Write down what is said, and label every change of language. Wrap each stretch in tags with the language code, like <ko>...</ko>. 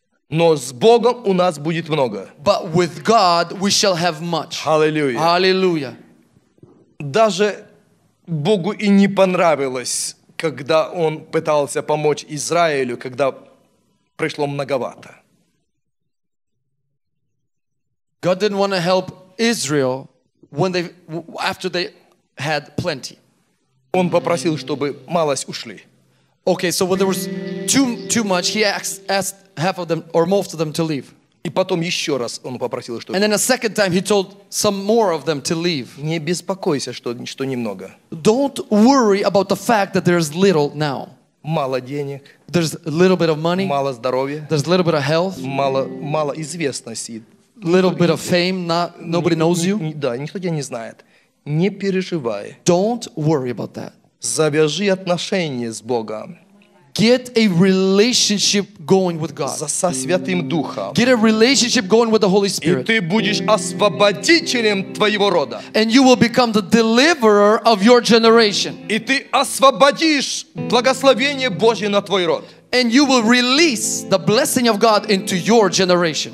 <ru>Но с Богом у нас будет много.</ru> <en>But with God we shall have much. Hallelujah. Hallelujah.</en> <ru>Даже Богу и не понравилось, когда он пытался помочь Израилю, когда пришло многовато.</ru> <en>God didn't want to help Israel when they after they had plenty.</en> <ru>Он попросил, чтобы малость ушли.</ru> <en>Okay, so when there was too much, he asked half of them or most of them to leave.</en> <ru>И потом еще раз он попросил, чтобы.</ru> <en>And then a second time he told some more of them to leave.</en> <ru>Не беспокойся, что немного.</ru> <en>Don't worry about the fact that there's little now.</en> <ru>Мало денег.</ru> <en>There's a little bit of money.</en> <ru>Мало здоровья.</ru> <en>There's a little bit of health.</en> <ru>Мало известности.</ru> <en>Little bit of fame. Nobody knows you.</en> <ru>Да, никто тебя не знает. Не переживай.</ru> <en>Don't worry about that.</en> <ru>Завяжи отношения с Богом.</ru> <en>Get a relationship going with God.</en> <ru>Со Святым Духом.</ru> <en>Get a relationship going with the Holy Spirit.</en> <ru>И ты будешь освободителем твоего рода.</ru> <en>And you will become the deliverer of your generation.</en> <ru>И ты освободишь благословение Божье на твой род.</ru> <en>And you will release the blessing of God into your generation.</en>